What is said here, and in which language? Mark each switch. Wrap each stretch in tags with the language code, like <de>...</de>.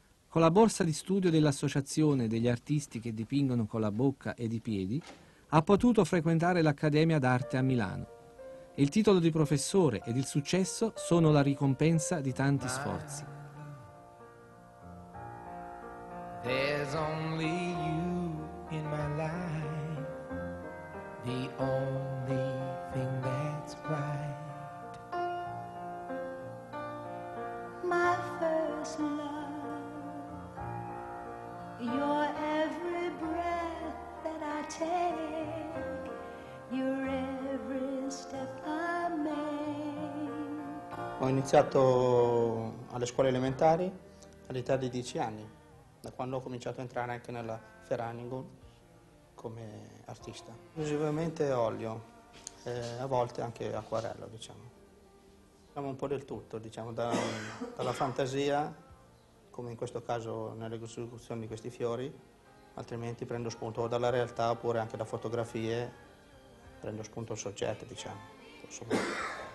<it>Con la borsa di studio dell'Associazione degli artisti che dipingono con la bocca ed i piedi, ha potuto frequentare l'Accademia d'Arte a Milano. Il titolo di professore ed il successo sono la ricompensa di tanti sforzi.</it> <en>There's only you in my life, the only thing that's right. My first love, you're every breath that I take, you're every step I make.</en> <it>Ho iniziato alle scuole elementari all'età di 10 anni. Da quando ho cominciato a entrare anche nella Ferragningen come artista. Esclusivamente olio, a volte anche acquarello, diciamo. Siamo un po' del tutto, diciamo, dalla fantasia, come in questo caso nelle costruzioni di questi fiori, altrimenti prendo spunto dalla realtà oppure anche da fotografie, prendo spunto il soggetto, diciamo.</it>